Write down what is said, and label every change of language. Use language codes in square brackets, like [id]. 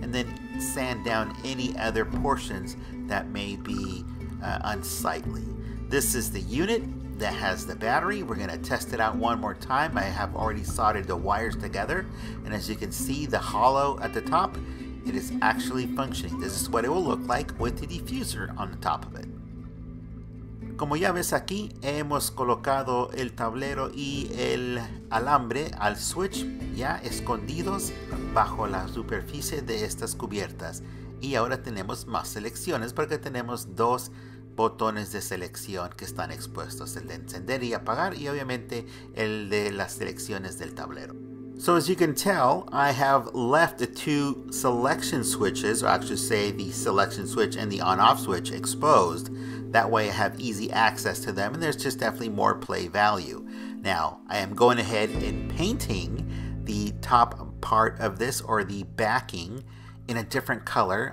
[en] And then sand down any other portions that may be unsightly. This is the unit that has the battery. We're gonna test it out one more time. I have already soldered the wires together. And as you can see, the hollow at the top, it is actually functioning. This is what it will look like with the diffuser on the top of it. [es] Como ya ves aquí, hemos colocado el tablero y el alambre al switch ya escondidos bajo la superficie de estas cubiertas. Y ahora tenemos más selecciones porque tenemos dos botones de selección que están expuestos, el de encender y apagar y obviamente el de las selecciones del tablero. [en] So as you can tell, I have left the two selection switches, or I should say the selection switch and the on-off switch exposed. That way I have easy access to them and there's just definitely more play value. Now, I am going ahead and painting the top part of this or the backing in a different color.